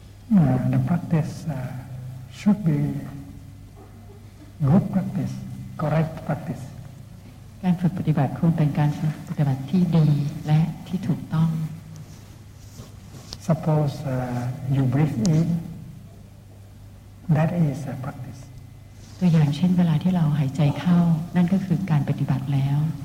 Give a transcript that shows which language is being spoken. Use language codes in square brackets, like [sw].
[en] The practice should be good practice, correct practice. [th] การฝึกปฏิบัติควรเป็นการฝึกปฏิบัติที่ดีและที่ถูกต้อง [en] Suppose you breathe in, that is a practice. [th] ตัวอย่างเช่นเวลาที่เราหายใจเข้านั่นก็คือการปฏิบัติแล้ว